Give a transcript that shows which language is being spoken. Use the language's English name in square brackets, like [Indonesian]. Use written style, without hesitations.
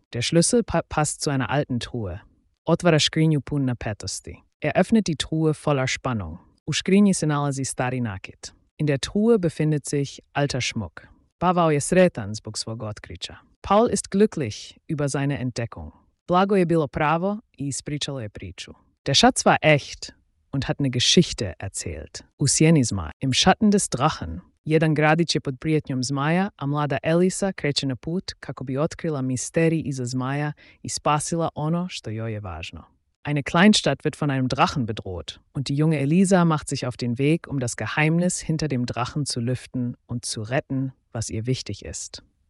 [German] Der Schlüssel passt zu einer alten Truhe. [Croatian] Otvara škrinju pun napetosti. [German] Er öffnet die Truhe voller Spannung. [Croatian] U škrinji se nalazi stari nakit. [German] In der Truhe befindet sich alter Schmuck. [Croatian] Pavao je sretan zbog svog otkrića. [German] Paul ist glücklich über seine Entdeckung. [Croatian] Blago je bilo pravo i ispričalo je priču. [German] Der Schatz war echt und hat eine Geschichte erzählt. U Sjenizma, im Schatten des Drachen. [Croatian] Jedan gradić je pod prijetnjom zmaja, a mlada Elisa kreće na put kako bi otkrila misteri iza zmaja i spasila ono što joj je važno. [German] Eine Kleinstadt wird von einem Drachen bedroht und die junge Elisa macht sich auf den Weg, um das Geheimnis hinter dem Drachen zu lüften und zu retten, was ihr wichtig ist.